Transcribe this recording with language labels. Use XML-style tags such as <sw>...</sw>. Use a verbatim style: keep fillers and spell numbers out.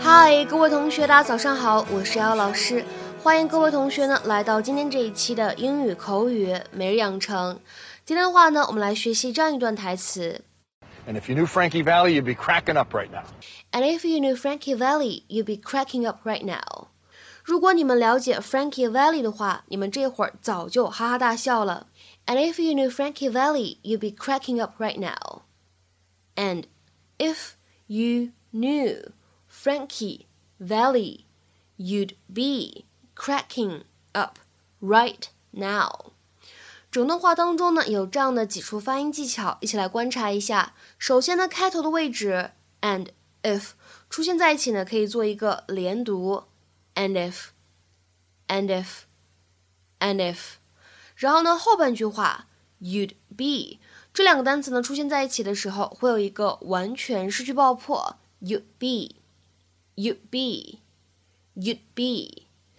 <zh>嗨，各位同学，大家早上好，我是姚老师，欢迎各位同学呢来到今天这一期的英语口语每日养成。今天的话呢，我们来学习这样一段台词。</zh> <en>And if you knew Frankie Valli, you'd be cracking up right now. And if you knew Frankie Valli, you'd be cracking up right now.</en> <zh>如果你们了解 Frankie Valli 的话，你们这会儿早就哈哈大笑了。</zh> <en>And if you knew Frankie Valli, you'd be cracking up right now. And if you knew Frankie Valli, you'd be cracking up right now.</en> <zh>整段话当中呢有这样的几处发音技巧，一起来观察一下。首先呢，开头的位置</zh> <en>and if</en> <zh>出现在一起呢，可以做一个连读</zh> <en>and if and if and if。</en> <zh>然后呢，后半句话</zh> <en>you'd be</en> <zh>这两个单词呢出现在一起的时候，会有一个完全失去爆破</zh> <en>you'd be you'd be you'd be。</en>